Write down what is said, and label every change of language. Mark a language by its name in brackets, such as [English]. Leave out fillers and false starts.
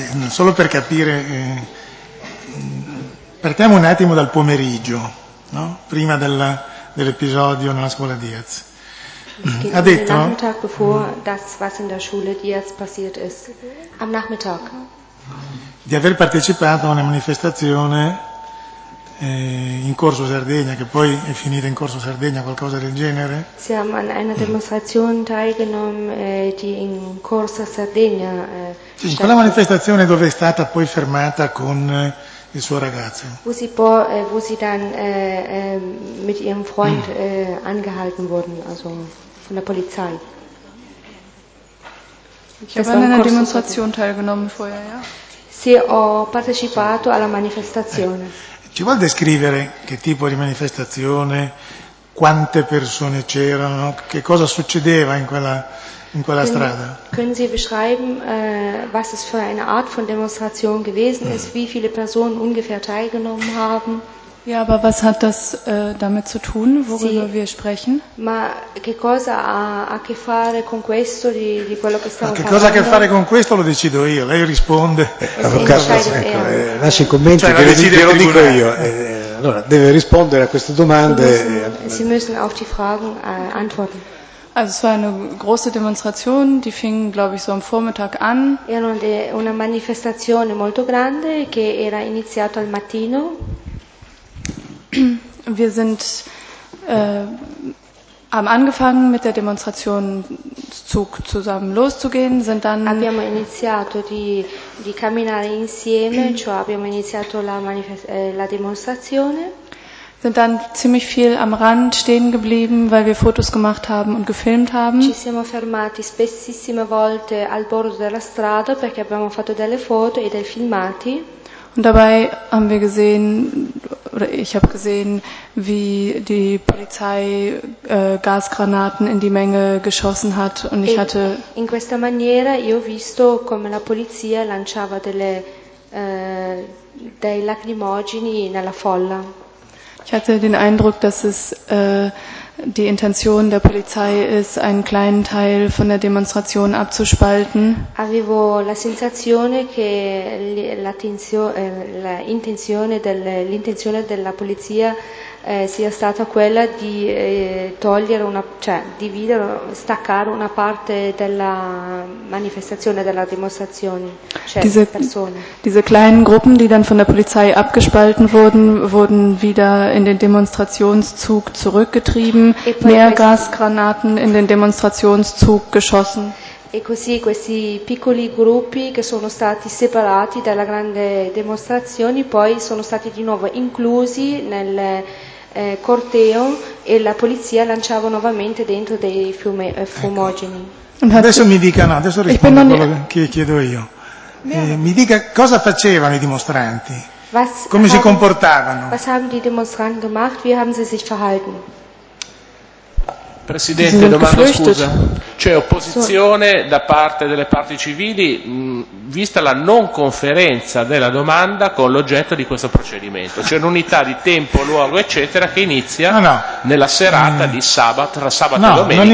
[Italian] Solo per capire, partiamo un attimo dal pomeriggio, no? Prima dell'episodio nella scuola Diaz. Ha detto, [German] am Nachmittag, bevor das, was in der Schule Diaz passiert ist, am Nachmittag. [Italian] Di aver partecipato a una manifestazione in Corso Sardegna, che poi è finita in Corso Sardegna, qualcosa del genere. [German] Sie haben an einer Demonstration teilgenommen, die in Corso Sardegna. [Italian] In quella manifestazione dove è stata poi fermata con il suo ragazzo. [German] Wo sie dann mit ihrem Freund angehalten wurden, also von der Polizei. Ich habe an einer Demonstration teilgenommen vorher, ja. [Italian] Sì, ho partecipato alla manifestazione. Ci vuol descrivere che tipo di manifestazione, quante persone c'erano, che cosa succedeva in quella strada? [German] Können Sie beschreiben, was es für eine Art von Demonstration gewesen ist, wie viele Personen ungefähr teilgenommen haben? Ja, aber was hat das damit zu tun, worüber wir sprechen? [Italian] Ma che cosa ha a che fare con questo di quello che stiamo parlando? Che cosa ha a che fare con questo lo decido io, lei risponde. Avvocato, ecco, lascia i commenti, cioè, che lo decide, lo dico io. Allora, deve rispondere a queste domande. [German] Sie müssen auf die Fragen antworten. Also es war eine große Demonstration, die fing, glaube ich, so am Vormittag an. [Italian] Era una manifestazione molto grande che era iniziata al mattino. [German] Wir sind haben angefangen mit der Demonstration Zug zusammen loszugehen, sind dann [Italian] abbiamo iniziato di camminare insieme, cioè abbiamo iniziato la demonstrazione. [German] Sind dann ziemlich viel am Rand stehen geblieben, weil wir Fotos gemacht haben und gefilmt haben. [Italian] Ci siamo fermati spessissime volte al bordo della strada perché abbiamo fatto delle foto e dei filmati. [German] Und dabei haben wir gesehen, oder ich habe gesehen, wie die Polizei Gasgranaten in die Menge geschossen hat, und ich hatte [Italian] in questa maniera io ho visto come la polizia lanciava delle dei lacrimogeni nella folla. [German] Ich hatte den Eindruck, dass es die Intention der Polizei ist, einen kleinen Teil von der Demonstration abzuspalten. [Italian] Avevo la sensazione che l'intenzione della polizia sia stata quella di togliere una, cioè dividere, staccare una parte della manifestazione, della dimostrazione, cioè [German] diese [Italian] persone. [German] Diese kleinen Gruppen, die dann von der Polizei abgespalten wurden, wurden wieder in den Demonstrationszug zurückgetrieben, mehr Gasgranaten in den Demonstrationszug geschossen. [Italian] E così questi piccoli gruppi che sono stati separati dalla grande dimostrazione poi sono stati di nuovo inclusi nel corteo e la polizia lanciava nuovamente dentro dei fiumi fumogeni. Ecco. Adesso mi dica, no, adesso rispondo a quello che chiedo io. Mi dica cosa facevano i dimostranti? Si comportavano? [German] Was haben die Demonstranten gemacht? Wie haben sie sich verhalten? [Italian] Presidente, domanda, scusa. C'è opposizione da parte delle parti civili, vista la non conferenza della domanda con l'oggetto di questo procedimento. C'è un'unità di tempo, luogo, eccetera, che inizia nella serata di sabato, tra sabato e domenica.